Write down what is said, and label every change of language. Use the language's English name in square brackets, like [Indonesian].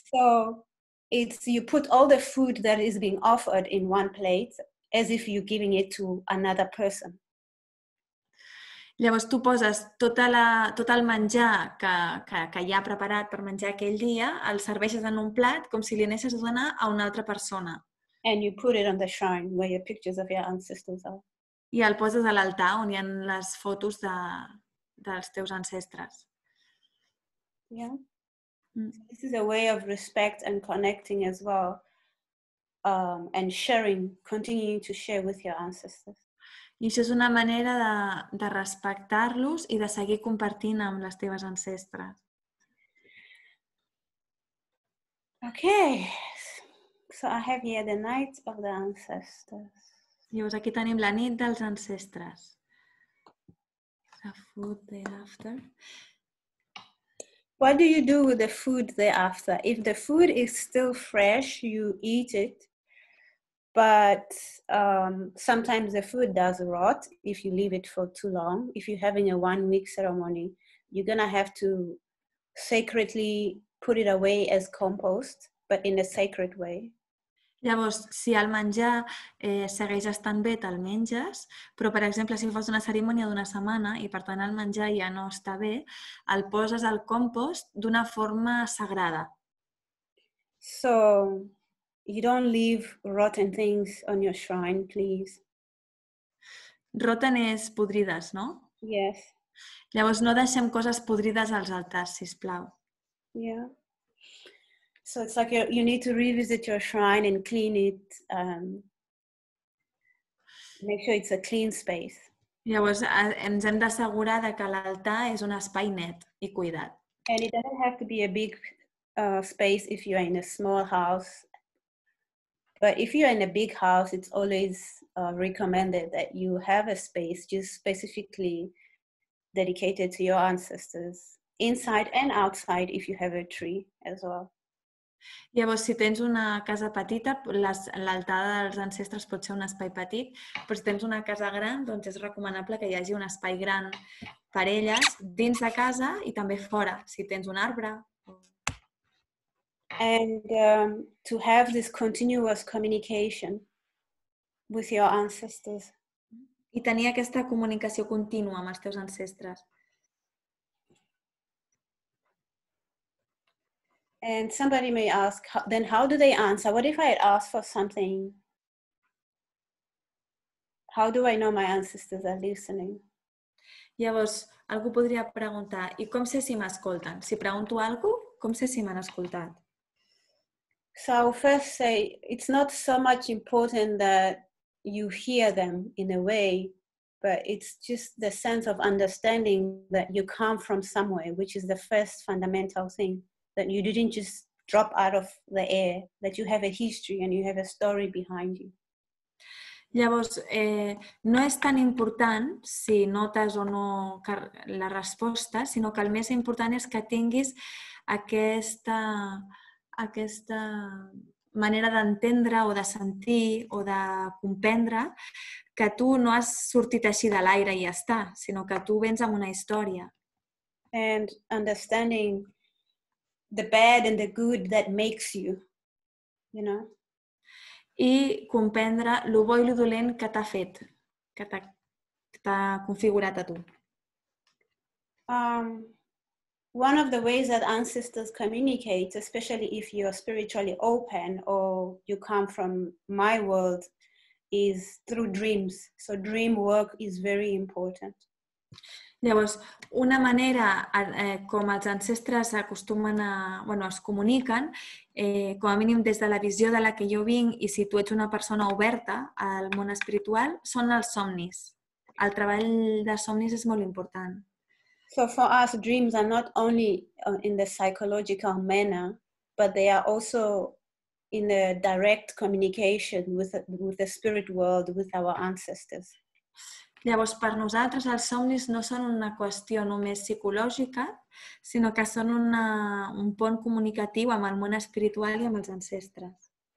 [English] So it's you put all the food that is being offered in one plate as if you're giving it to another person. [Catalan] Llavors tu poses tot el menjar que hi ha preparat per menjar aquell dia, el serveixes en un plat com si li anessis a donar a una altra persona. [English] And you put it on the shrine where your pictures of your ancestors are. [Catalan] I el poses a l'altar on hi ha les fotos dels teus ancestres. [English] Yeah. Mm. This is a way of respect and connecting as well, and sharing, continuing to share with your ancestors. [Catalan] I això és una manera de respectar-los i de seguir compartint amb les teves ancestres. [English] Okay. So I have here the night of the ancestors. [Catalan] Llavors aquí tenim la nit dels ancestres. [English] The food thereafter. What do you do with the food thereafter? If the food is still fresh, you eat it. But sometimes the food does rot if you leave it for too long. If you're having a 1 week ceremony, you're gonna have to sacredly put it away as compost, but in a sacred way. [Catalan] Llavors, si el menjar segueix estant bé, te'l menges, però, per exemple, si fas una cerimònia d'una setmana i, per tant, el menjar ja no està bé, el poses al compost d'una forma sagrada. [English] So, you don't leave rotten things on your shrine, please. [Catalan] Rotten és podrides, no? [English] Yes. [Catalan] Llavors, no deixem coses podrides als altars, sisplau. [English] Yeah. So it's like you need to revisit your shrine and clean it, make sure it's a clean space. [Catalan] Llavors, ens hem d'assegurar que l'altar és un espai net i cuidat. [English] And it doesn't have to be a big space if you're in a small house. But if you're in a big house, it's always recommended that you have a space just specifically dedicated to your ancestors, inside and outside if you have a tree as well. [Catalan] Llavors, si tens una casa petita, l'altar dels ancestres pot ser un espai petit, però si tens una casa gran, doncs és recomanable que hi hagi un espai gran per elles dins de casa i també fora, si tens un arbre. [English] And to have this continuous communication with your ancestors. [Catalan] I tenir aquesta comunicació contínua amb els teus ancestres. [English] And somebody may ask, then how do they answer? What if I had asked for something? How do I know my ancestors are listening? [Catalan] Llavors, algú podria preguntar, i com sé si m'escolten? Si pregunto algú, com sé si m'han escoltat? [English] So I'll first say, it's not so much important that you hear them in a way, but it's just the sense of understanding that you come from somewhere, which is the first fundamental thing. That you didn't just drop out of the air, that you have a history and you have a story behind you. [Catalan] Llavors, no és tan important si notes o no la resposta, sinó que el més important és que tinguis aquesta manera d'entendre o de sentir o de comprendre que tu no has sortit així de l'aire i ja està, sinó que tu vens amb una història. [English] And understanding the bad and the good that makes you, you know? [Catalan] I comprendre lo bo i lo dolent que t'ha fet, que t'ha configurat a tu. [English] One of the ways that ancestors communicate, especially if you're spiritually open or you come from my world, is through dreams. So dream work is very important. [Catalan] Llavors, una manera com els ancestres acostumen a, bueno, es comuniquen, com a mínim des de la visió de la que jo vinc i si tu ets una persona oberta al món espiritual, són els somnis. el treball de somnis és molt important. [English] So for us, dreams are not only in the psychological manner, but they are also in the direct communication with the spirit world, with our ancestors. [Catalan] Llavors, per nosaltres, els somnis no són una qüestió només psicològica, sinó que són un pont comunicatiu amb el món espiritual i amb els ancestres.